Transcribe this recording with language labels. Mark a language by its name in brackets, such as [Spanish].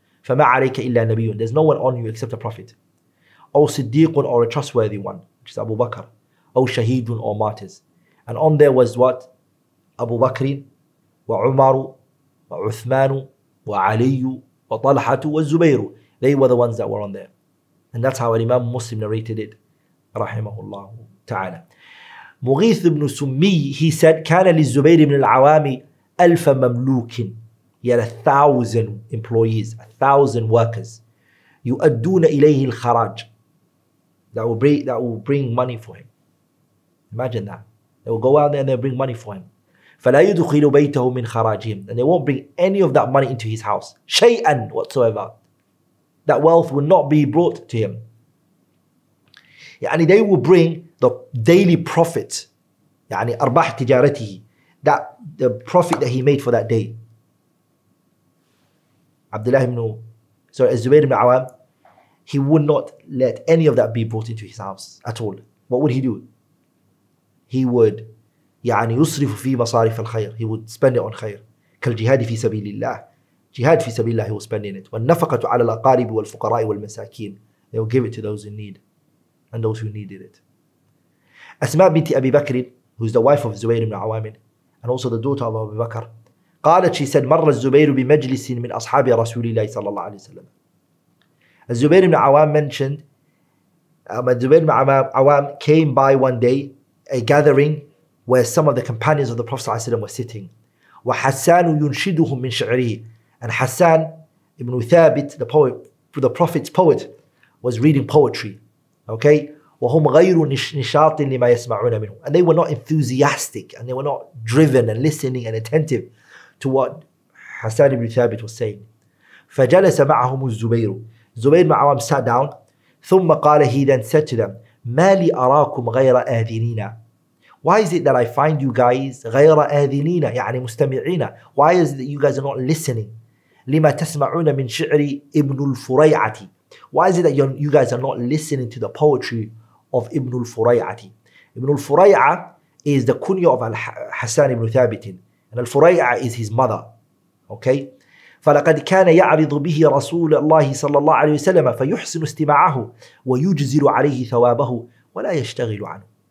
[Arabic] فما عليك إلا نبي, [English] there's no one on you except a prophet. [Arabic] أو صديق, [English] or a trustworthy one, which is Abu Bakr. [Arabic] أو شهيد, [English] or martyrs. And on there was what? [Arabic] Abu Bakr, وعمر, وعثمان, وعلي, وطلحة, والزبير. [English] They were the ones that were on there. And that's how Imam Muslim narrated it, رحمه الله تعالى. مغيث بن سمي, he said, [Arabic] كان للزبير بن العوام ألف مملوك, [English] he had 1,000 employees, 1,000 workers, [Arabic] يؤدون إليه الخراج, [English] that will bring money for him. Imagine that, they will go out there and they'll bring money for him. [Arabic] فلا يدخل بيته من خراجهم, [English] and they won't bring any of that money into his house, شيئا whatsoever, that wealth will not be brought to him. يعني they will bring the daily profit, يعني [Arabic] أرباح تجارته, [English] that the profit that he made for that day. Abdullah ibn Zubayr ibn Awam, he would not let any of that be brought into his house at all. What would he do? He would, [Arabic] يعني يصرف في مصارف الخير. [English] He would spend it on خير. [Arabic] كالجهاد في سبيل الله. [English] Jihad في سبيل الله, he was spending it. [Arabic] والنفقة على الأقارب والفقراء والمساكين. [English] They will give it to those in need and those who needed it. أسماء بنت أبي بكر, who is the wife of Zubair ibn Awamin and also the daughter of Abu Bakr, قالت, she said, [Arabic] مر الزبير بمجلس من أصحاب رسول الله صلى الله عليه وسلم. [English] الزبير بن عوام mentioned, الزبير بن عوام came by one day a gathering where some of the companions of the Prophet صلى الله عليه وسلم were sitting. [Arabic] وحسان ينشدهم من شعره. [English] And Hassan ibn Thabit, the poet, the Prophet's poet, was reading poetry. Okay? [Arabic] وهم غير نشاط لما يسمعون منه. [English] And they were not enthusiastic and they were not driven and listening and attentive to what Hassan ibn Thabit was saying. [Arabic] فجلس معهم الزبير. [English] Zubair ibn Awam sat down. [Arabic] ثم قال, [English] he then said to them, [Arabic] ما لي أراكم غير آذنين. [English] Why is it that I find you guys [Arabic] غير آذنين, [English] يعني [Arabic] مستمعين. [English] Why is it that you guys are not listening? [Arabic] لما تسمعون من شعر ابن الفريعة. [English] Why is it that you guys are not listening to the poetry of ابن الفريعة? ابن الفريعة is the kunya of Hassan ibn Thabit. And الفريعة is his mother. Okay? [Arabic] فلقد كان يعرض به رسول الله صلى الله عليه وسلم فيحسن استماعه ويجزل عليه ثوابه ولا يشتغل عنه.